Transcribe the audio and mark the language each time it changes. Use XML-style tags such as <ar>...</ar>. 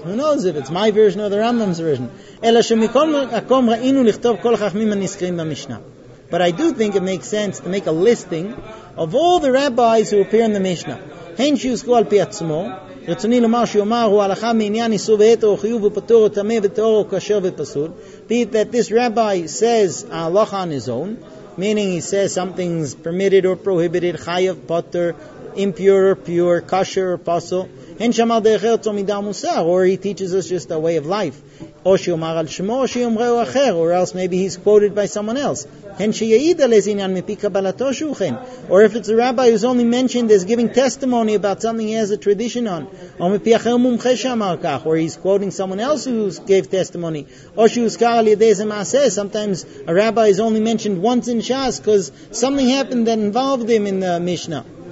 <en>Who knows if it's my version or the Rambam's version?</en> <he>אלא שמכל מקום ראינו לכתוב כל החכמים הנזכרים במשנה.</he> <en>But I do think it makes sense to make a listing of all the rabbis who appear in the Mishnah.</en> <he>הן שיוסקו על פי עצמו, רצוני לומר שיומר הוא הלכה מעניין איסור ואתר או חיוב ופטור או טמא וטהור או כשר ופסול.</he> <en>Be it that this rabbi says halacha on his own, meaning he says something's permitted or prohibited, chayav potter, impure or pure, kasher or pasul.</en> <he>הן שמר דרך ארץ או מידה מוסר,</he> <en>or he teaches us just a way of life.</en> <he>או שיאמר על שמו, או שיאמרו אחר,</he> <en>or else maybe he's quoted by someone else.</en> <he>הן שיעיד על איזה עניין מפי קבלתו שהוא כן.</he> <en>Or if it's a rabbi who's only mentioned as giving testimony about something he has a tradition on,</en> <he>או מפי אחר מומחה שאמר כך,</he> <en>or he's quoting someone else who gave testimony,</en> <he>או שיוזכר על ידי איזה מעשה,</he> <en>sometimes a rabbi is only mentioned once in Shas because something happened that involved him in the Mishnah.</en>